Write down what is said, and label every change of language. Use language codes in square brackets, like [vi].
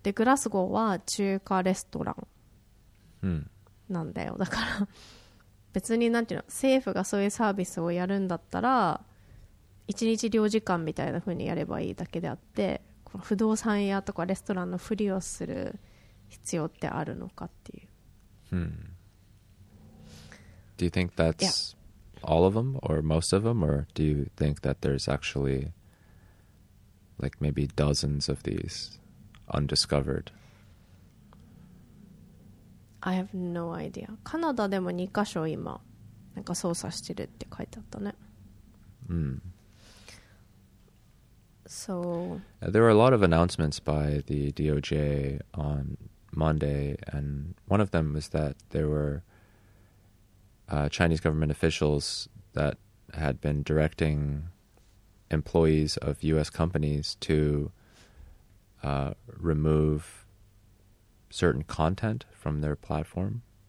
[ja] でグラスゴーは中華レストラン。なんだよ。だから別になんていうの、政府がそういうサービスをやるんだったら一日領事館みたいな風にやればいいだけであって、この不動産屋とかレストランのふりをする必要ってあるのかっていう。 [en] Do you think that's all of them or most of them, or do you think that there's actually like maybe dozens of these undiscovered? I have no idea. [ja] カナダでも2カ所今なんか捜査してるって書いてあったね。 [en] So there were a lot of announcements by the DOJ on Monday, and one of them was that there were Chinese government officials that had been directing employees of US companies to remove certain content from their platform.